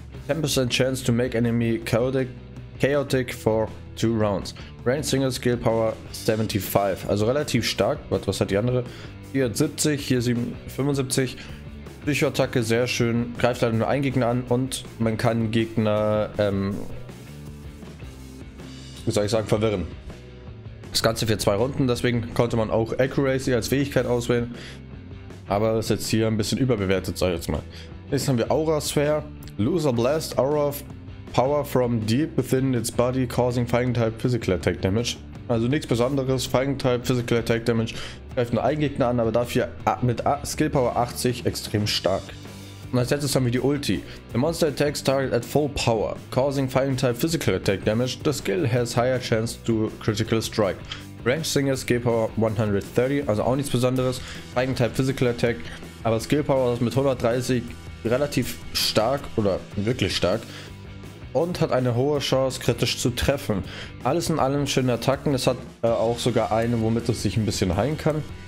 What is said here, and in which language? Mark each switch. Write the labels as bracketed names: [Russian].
[English] 10% chance to make enemy chaotic for 2 rounds. Range single skill power 75. [German] Also relativ stark. Was hat die andere? Hier hat 70, hier 75. Psychoattacke sehr schön. Greift leider nur einen Gegner an und man kann Gegner wie soll ich sagen, verwirren. Das Ganze für 2 Runden, deswegen konnte man auch Accuracy als Fähigkeit auswählen. Aber das ist jetzt hier ein bisschen überbewertet, sag ich jetzt mal. Jetzt haben wir Aura Sphere. [English] Loser Blast Aura of Power from deep within its body causing Fighting Type Physical Attack Damage. [German] Also nichts Besonderes, Fighting Type Physical Attack Damage greift nur einen Gegner an, aber dafür mit Skill Power 80 extrem stark. Und als letztes haben wir die Ulti. [English] The monster attacks target at full power, causing fighting type physical attack damage. The skill has higher chance to critical strike. Range single skill power 130, also auch nichts besonderes. [German] Fighting type physical attack, aber skill power ist mit 130 relativ stark oder wirklich stark. Und hat eine hohe Chance kritisch zu treffen. Alles in allem schöne Attacken, es hat auch sogar eine, womit es sich ein bisschen heilen kann.